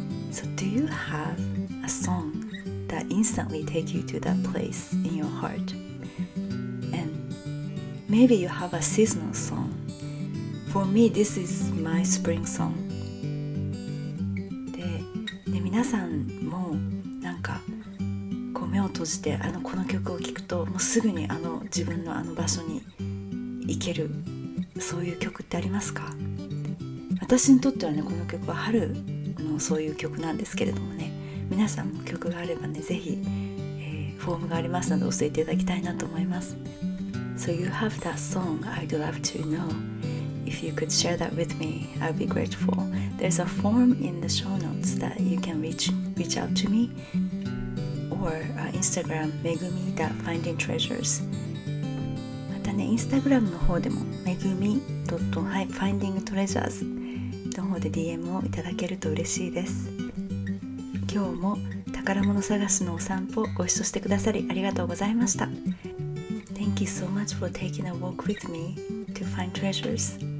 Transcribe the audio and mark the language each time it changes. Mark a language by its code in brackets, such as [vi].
[en] So do you have a song that instantly takes you to that place in your heart? And maybe you have a seasonal song. For me, this is my spring song. [ja] で皆さんもなんかこう目を閉じてあのこの曲を聴くと、もうすぐにあの自分のあの場所に行ける、そういう曲ってありますか？私にとってはね、この曲は春のそういう曲なんですけれどもね、皆さんも曲があればね、ぜひ、フォームがありますので教えていただきたいなと思います。 [en] So you have that song, I'd love to know. If you could share that with me, I'd be grateful. There's a form in the show notes that you can reach out to me, or Instagram megumi.findingtreasures. [ja] またね、Instagram の方でも megumi.findingtreasures の方で DM をいただけると嬉しいです。今日も宝物探しのお散歩ご一緒してくださりありがとうございました。 [en] Thank you so much for taking a walk with me to find treasures.